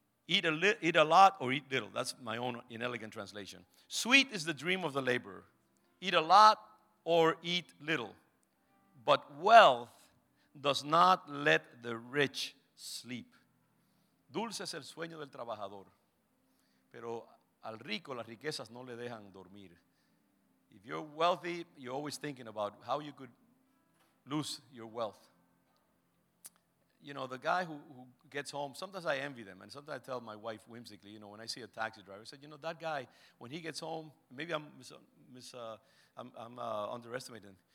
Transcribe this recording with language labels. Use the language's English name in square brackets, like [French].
[English] Eat a lot or eat little. That's my own inelegant translation. Sweet is the dream of the laborer. Eat a lot or eat little. But wealth does not let the rich sleep. [Spanish] Dulce es el sueño del trabajador. Pero al rico las riquezas no le dejan dormir. [English] If you're wealthy, you're always thinking about how you could lose your wealth. You know, the guy who gets home, sometimes I envy them. And sometimes I tell my wife whimsically, you know, when I see a taxi driver, I said, you know, that guy, when he gets home, maybe I'm underestimating him.